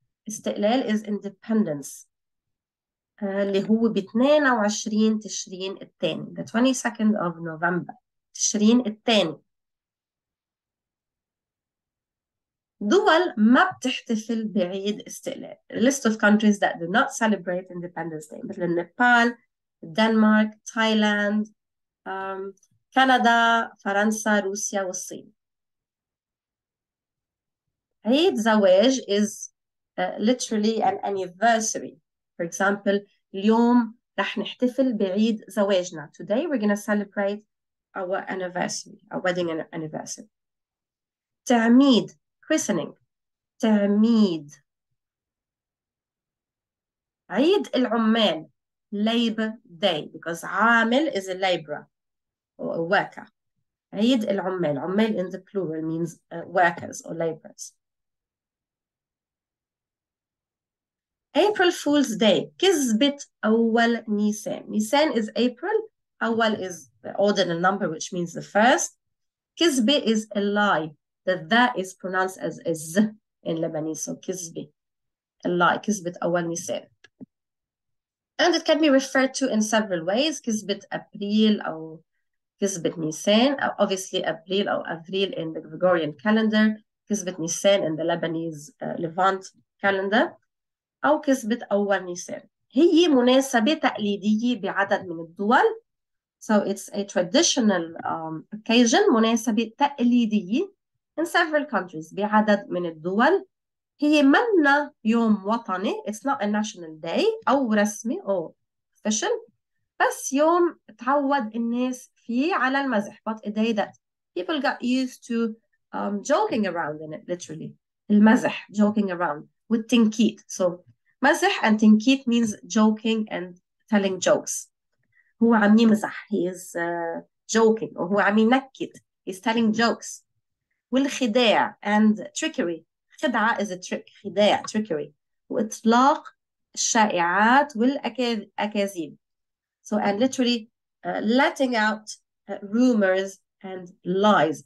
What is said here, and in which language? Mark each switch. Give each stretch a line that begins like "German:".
Arabic: استقلال
English: is independence.
Arabic: اللي هو ب22 تشرين الثاني.
English: The 22nd of November. تشرين الثاني.
Arabic: دول ما بتحتفل بعيد استقلال.
English: A list of countries that do not celebrate Independence Day.
Arabic: مثل نيبال, Denmark, Thailand, Canada, فرنسا, روسيا والصين.
English: عيد زواج is literally an anniversary. For example,
Arabic: اليوم رح نحتفل بعيد زواجنا.
English: Today we're going to celebrate our anniversary, our wedding anniversary.
Arabic: تعميد, christening. تعميد.
English: عيد العمال, labor day, because عامل is a laborer or a worker. عيد العمال, عمال in the plural means workers or laborers. April Fool's Day, كذبة أول نيسان. نيسان is April, أول is the ordinal number, which means the first. كذبة is a lie. The is pronounced as a z in Lebanese, so كذبة, a lie,
Arabic: كذبة أول نيسان.
English: And it can be referred to in several ways,
Arabic: كذبة أبريل أو كذبة نيسان.
English: Obviously, أبريل أو أفريل in the Gregorian calendar, كذبة نيسان in the Lebanese Levant calendar.
Arabic: أو كذبة أول نيسان. هي مناسبة تقليدية بعدد من الدول.
English: So it's a traditional occasion,
Arabic: مناسبة تقليدية
English: in several countries,
Arabic: بعدد من الدول. هي منا يوم وطني,
English: it's not a national day,
Arabic: أو رسمي أو official, بس يوم تعود الناس فيه على المزح.
English: But a day that people got used to joking around in it, literally. المزح, joking around. With تنكيت. So, مزح and تنكيت means joking and telling jokes.
Arabic: هو عم يمزح.
English: He is joking.
Arabic: وهو عم ينكت.
English: He's telling jokes. والخداع and trickery. خدعة is a trick. خداع, trickery.
Arabic: وإطلاق الشائعات والأكاذيب.
English: So, and literally letting out rumors and lies.